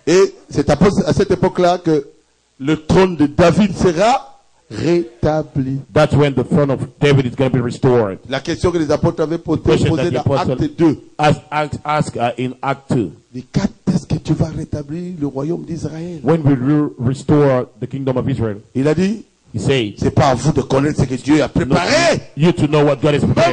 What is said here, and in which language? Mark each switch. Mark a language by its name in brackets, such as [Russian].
[French] Et c'est à cette époque-là que le trône de David sera rétabli. [English] That's when the throne of David is going to be restored. [French] La question que les apôtres avaient posée dans Actes 2. [English] In Act 2. [French] Mais quand est-ce que tu vas rétablir le royaume d'Israël? [English] When will you restore the kingdom of Israel? [French] Il a dit. [English] He said. [French] C'est pas à vous de connaître ce que Dieu a préparé. [English] You to know what God has prepared.